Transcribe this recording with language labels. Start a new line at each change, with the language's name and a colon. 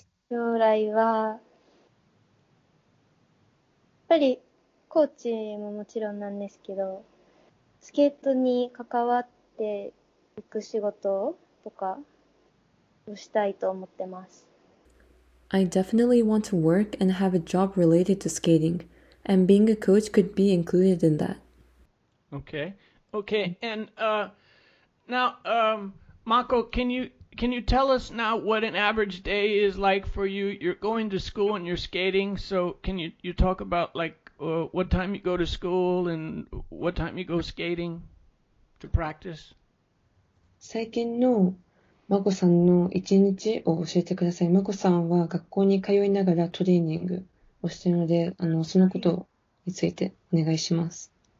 Japanese: 将来は、やっぱりコーチももちろんなんですけど、スケートに関わっていく仕事とかをしたいと思ってます。
English: I definitely want to work and have a job related to skating, and being a coach could be included in that. Okay. And now, Mako, can you tell us now what an average day is like for you? You're going to school and you're skating, so can you talk about what time you go to school and what time you go skating to practice?
Japanese: 最近の眞子さんの一日を教えてください。眞子さんは学校に通いながらトレーニングをしているので、そのことについてお願いします。